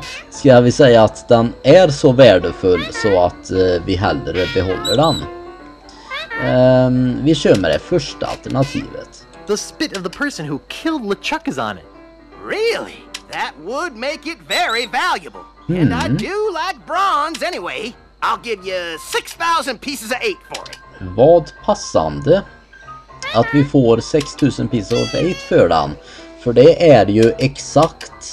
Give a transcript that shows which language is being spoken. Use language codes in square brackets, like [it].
[sv] Ska vi säga att den är så värdefull så att vi hellre behåller den. Vi kör med det första alternativet. [en] The spit of the person who killed LeChuck is on it. Really? That would make it very valuable. Hmm. And I do like bronze anyway. I'll give you 6,000 pieces of 8 for it. [sv] Vad passande att vi får 6,000 [en] pieces of 8 [sv] för den. För det är ju exakt...